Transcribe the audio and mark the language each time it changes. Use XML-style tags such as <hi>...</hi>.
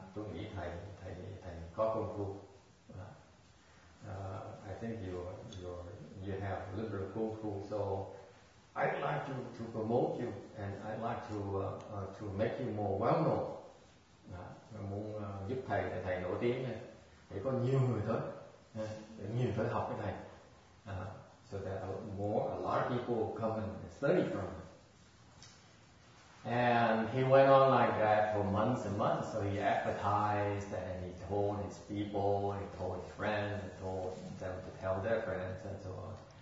<vi>Tôi nghĩ Thầy có công phu.</vi> <en>I think you have liberal kung fu, so I'd like to promote you, and I'd like to make you more well known.</en> <vi>Muốn giúp thầy nổi tiếng này, để có nhiều người tới, để nhiều người học cái thầy.</vi> <en>So that a lot of people come and study from him. And he went on like that for months and months. So he advertised and he told his people, he told his friends, he told them to tell their friends and so on.</en>